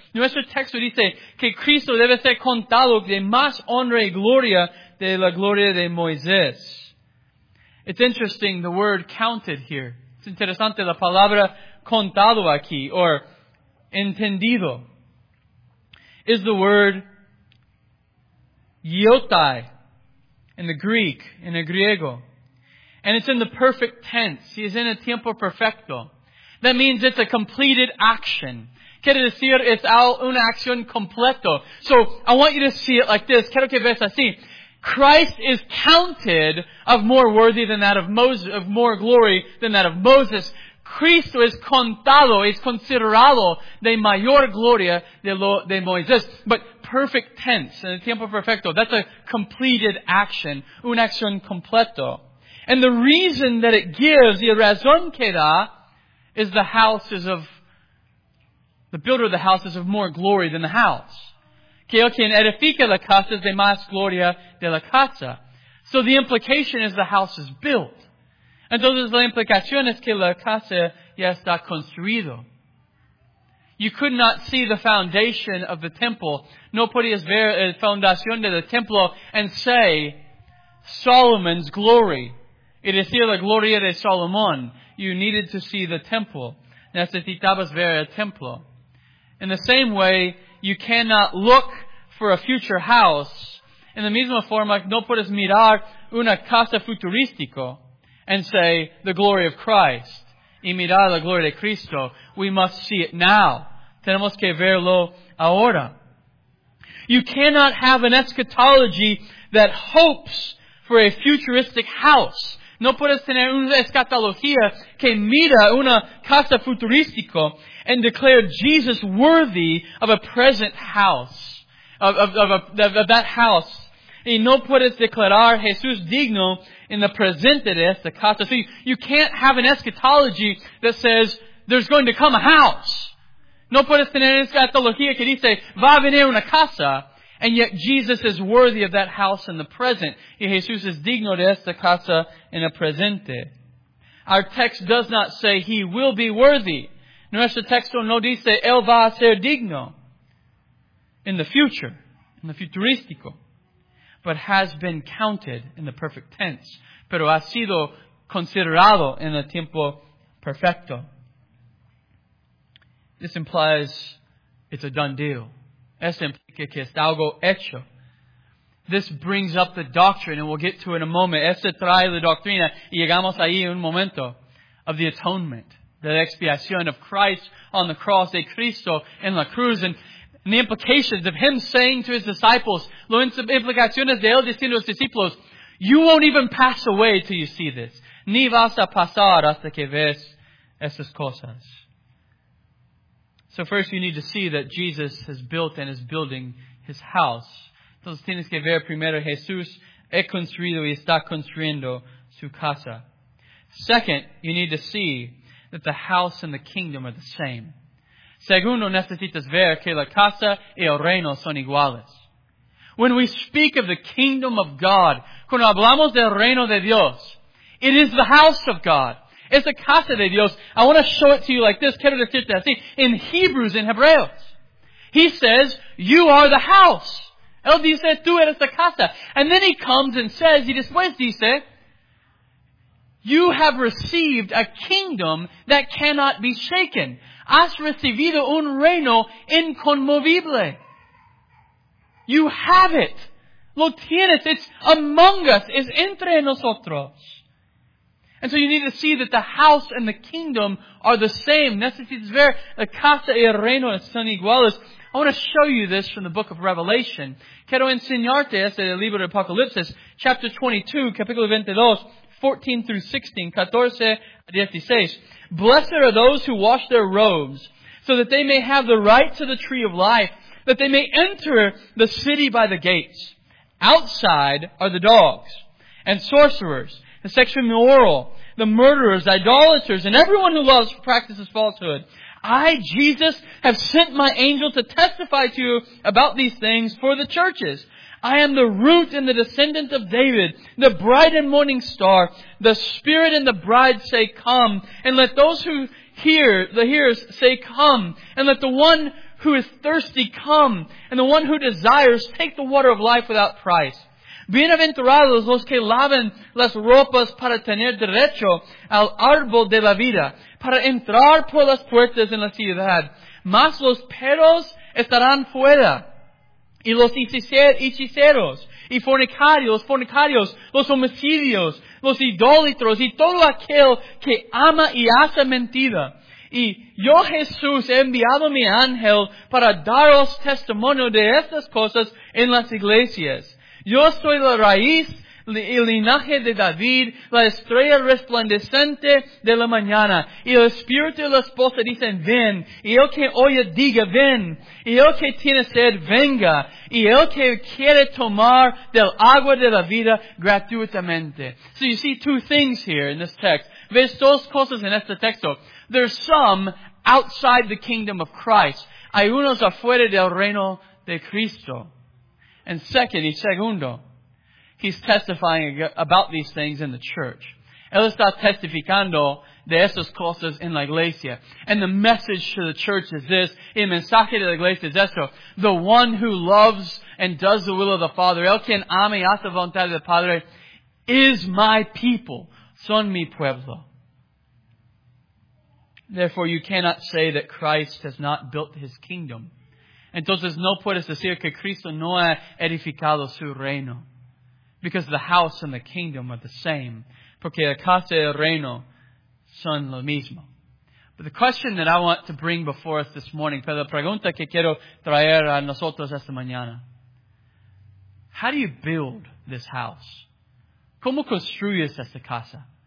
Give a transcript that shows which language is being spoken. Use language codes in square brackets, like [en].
[es] Nuestro texto dice que Cristo debe ser contado de más honra y gloria de la gloria de Moisés. [en] It's interesting, the word counted here. It's [es] interesante, la palabra contado aquí, [en] or entendido, is the word iotai in the Greek, in the griego. And it's in the perfect tense. He is in a [es] tiempo perfecto. [en] That means it's a completed action. [es] Quiere decir, es una acción completo. [en] So, I want you to see it like this. [es] Quiero que veas así. [en] Christ is counted of more worthy than that of Moses, of more glory than that of Moses. [es] Cristo es contado, es considerado de mayor gloria de Moisés. [en] But perfect tense, [es] en el tiempo perfecto, [en] that's a completed action, [es] una acción completo. [en] And the reason that it gives, [es] y la razón que da, [en] is the house is of, the builder of the house is of more glory than the house. [es] Que el quien edifica la casa es de más gloria de la casa. [en] So the implication is the house is built. [es] Entonces la implicación es que la casa ya está construido. [en] You could not see the foundation of the temple. [es] No podías ver la fundación del templo [en] and say, Solomon's glory. [es] Y decir la gloria de Salomón. [en] You needed to see the temple. [es] Necesitabas ver el templo. [en] In the same way, you cannot look for a future house. [es] In the misma forma, no puedes mirar una casa futurística [en] and say, the glory of Christ. [es] Y mirar la gloria de Cristo. [en] We must see it now. [es] Tenemos que verlo ahora. [en] You cannot have an eschatology that hopes for a futuristic house. [es] No puedes tener una escatología que mira una casa futurística [en] and declare Jesus worthy of a present house. of that house. [es] Y no puedes declarar Jesús digno en la presente de esta casa. [en] See, you can't have an eschatology that says there's going to come a house. [es] No puedes tener eschatología que dice va a venir una casa. [en] And yet Jesus is worthy of that house in the present. [es] Y Jesús es digno de esta casa en el presente. [en] Our text does not say he will be worthy. [es] Nuestro texto no dice él va a ser digno [en] in the future, [es] in the futurístico, but has been counted in the perfect tense. Pero ha sido considerado en el tiempo perfecto. [en] This implies it's a done deal. [es] Esto implica que es algo hecho. [en] This brings up the doctrine, and we'll get to it in a moment. [es] Esto trae la doctrina, y llegamos ahí en un momento, [en] of the atonement, the expiación of Christ on the cross, [es] de Cristo en la cruz, [en] and the implications of Him saying to His disciples, [es] lo implicaciones de Él diciendo a los discípulos, [en] you won't even pass away till you see this. [es] Ni vas a pasar hasta que ves esas cosas. [en] So first you need to see that Jesus has built and is building His house. [es] Entonces tienes que ver primero Jesús ha construido y está construyendo su casa. [en] Second, you need to see that the house and the kingdom are the same. [es] Segundo, necesitas ver que la casa y el reino son iguales. [en] When we speak of the kingdom of God, [es] cuando hablamos del reino de Dios, [en] it is the house of God. [es] Es la casa de Dios. [en] I want to show it to you like this. [es] Quiero decirte así. [en] In Hebrews, in Hebreos, He says, you are the house. [es] Él dice, tú eres la casa. [en] And then He comes and says, [es] y después dice, [en] you have received a kingdom that cannot be shaken. [es] Has recibido un reino inconmovible. [en] You have it. [es] Lo tienes. [en] It's among us. [es] Es entre nosotros. [en] And so you need to see that the house and the kingdom are the same. [es] Necesitas ver la casa y el reino son iguales. [en] I want to show you this from the book of Revelation. [es] Quiero enseñarte este del libro de Apocalipsis, [en] chapter 22, [es] capítulo 22, [en] 14 through 16, 14 a 16. Blessed are those who wash their robes, so that they may have the right to the tree of life, that they may enter the city by the gates. Outside are the dogs and sorcerers, the sexually immoral, the murderers, the idolaters, and everyone who loves practices falsehood. I, Jesus, have sent my angel to testify to you about these things for the churches. I am the root and the descendant of David, the bright and morning star. The Spirit and the bride say, come. And let those who hear, the hearers, say, come. And let the one who is thirsty come. And the one who desires, take the water of life without price. [es] Bienaventurados los que laven las ropas para tener derecho al árbol de la vida, para entrar por las puertas en la ciudad. Mas los perros estarán fuera, y los hechiceros, y fornicarios, los homicidios, los idólatros, y todo aquel que ama y hace mentira. Y yo, Jesús, he enviado mi ángel para daros testimonio de estas cosas en las iglesias. Yo soy la raíz, el linaje de David, la estrella resplandecente de la mañana. Y el espíritu y la esposa dicen, ven. Y el que oye, diga, ven. Y el que tiene sed, venga. Y el que quiere tomar del agua de la vida gratuitamente. [en] So you see two things here in this text. [es] Ves dos cosas en este texto. [en] There's some outside the kingdom of Christ. [es] Hay unos afuera del reino de Cristo. [en] And second, [es] y segundo, [en] he's testifying about these things in the church. [es] Él está testificando de estas cosas en la iglesia. [en] And the message to the church is this. [es] El mensaje de la iglesia es esto. [en] The one who loves and does the will of the Father, [es] el quien ama y hace la voluntad del Padre, [en] is my people. [es] Son mi pueblo. [en] Therefore, you cannot say that Christ has not built his kingdom. [es] Entonces no puedes decir que Cristo no ha edificado su reino. [en] Because the house and the kingdom are the same. [es] Porque la casa y el reino son lo mismo. [en] But the question that I want to bring before us this morning, [es] pero la pregunta que quiero traer a nosotros esta mañana. [en] How do you build this house? [es] ¿Cómo construyes esta casa?